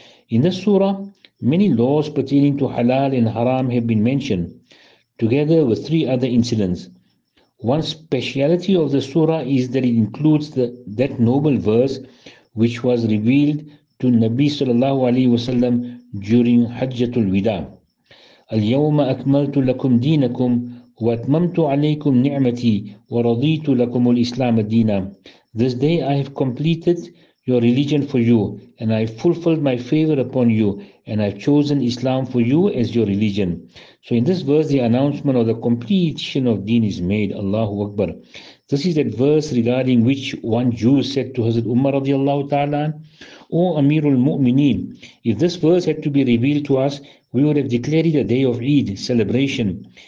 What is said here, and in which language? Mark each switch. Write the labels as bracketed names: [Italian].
[English] In this surah, many laws pertaining to halal and haram have been mentioned, together with three other incidents. One speciality of the surah is that it includes that noble verse which was revealed to Nabi sallallahu alayhi wasallam during Hajjatul Wida. [Arabic] Al-yawma akmaltu lakum dinakum وَأَتْمَمْتُ عَلَيْكُمْ نِعْمَتِي وَرَضِيتُ لَكُمُ الْإِسْلَامَ دِينًا. [English] This day I have completed your religion for you, and I have fulfilled my favor upon you, and I have chosen Islam for you as your religion. So in this verse, the announcement of the completion of deen is made. Allahu Akbar. This is that verse regarding which one Jew said to Hazrat Umar radiallahu ta'ala, O Amirul Mu'mineen, if this verse had to be revealed to us, we would have declared it a day of Eid celebration.